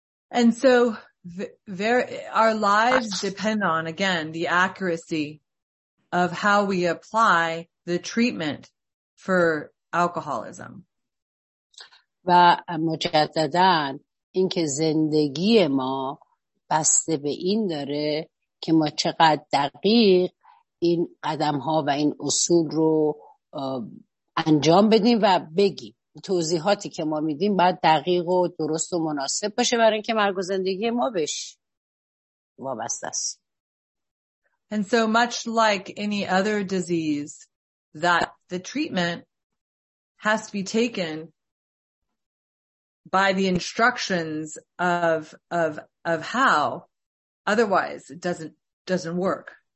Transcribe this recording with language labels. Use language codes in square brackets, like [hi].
[en] And so our lives depend on, again, the accuracy of how we apply the treatment for alcoholism. [fa] و مجدداً اینکه زندگی ما بسته به این داره که ما چقدر دقیق این قدم ها و این اصول رو انجام بدیم و بگیم. توضیحاتی که ما میدیم باید دقیق و درست و مناسب باشه برای اینکه مرگ و زندگی ما بهش وابسته است. [en] And so much like any other disease, that the treatment has to be taken by the instructions of how, otherwise it doesn't work.